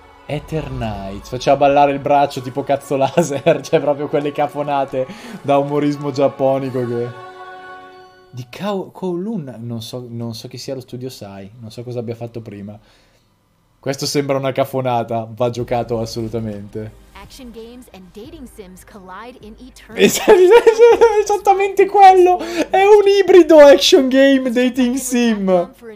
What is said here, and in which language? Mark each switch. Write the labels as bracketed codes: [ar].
[it] Eternite, faceva ballare il braccio tipo cazzo laser, cioè proprio quelle cafonate da umorismo giapponico che... Di Kowloon, non so chi sia lo studio Sai, non so cosa abbia fatto prima. Questo sembra una cafonata, va giocato assolutamente. [en] Action games and dating sims collide in eternity. [it] Esattamente quello, è un ibrido action game dating sim.